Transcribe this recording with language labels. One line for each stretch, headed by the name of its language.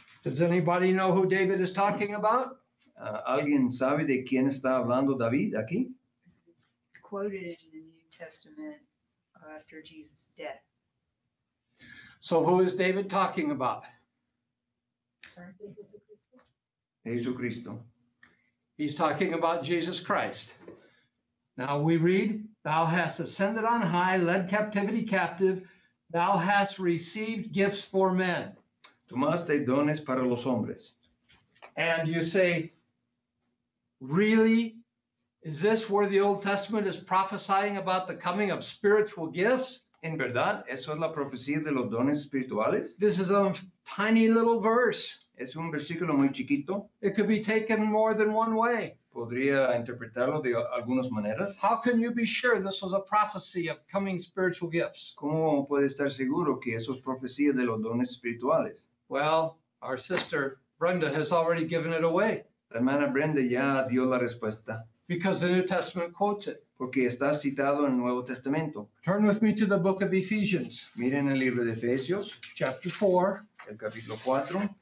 English: Does anybody know who David is talking about?
Spanish: ¿Alguien sabe de quién está hablando David aquí?
English: It's quoted in the New Testament after Jesus' death. So who is David talking about?
Spanish: Jesucristo.
English: He's talking about Jesus Christ. Now we read, Thou hast ascended on high, led captivity captive, thou hast received gifts for men.
Spanish: Tomaste dones para los hombres.
English: And you say, really? Is this where the Old Testament is prophesying about the coming of spiritual gifts?
Spanish: ¿En verdad? ¿Eso es la profecía de los dones espirituales?
English: This is a tiny little verse.
Spanish: Es un versículo muy chiquito.
English: It could be taken more than one way.
Spanish: ¿Podría interpretarlo de algunas maneras?
English: How can you be sure this was a prophecy of coming spiritual gifts?
Spanish: ¿Cómo puede estar seguro que eso es profecía de los dones espirituales?
English: Well, our sister Brenda has already given it away.
Spanish: La hermana Brenda ya dio la respuesta.
English: Because the New Testament quotes it.
Spanish: Porque está citado en el Nuevo Testamento.
English: Turn with me to the book of Ephesians.
Spanish: Miren el libro de Efesios.
English: Chapter 4.
Spanish: El capítulo 4.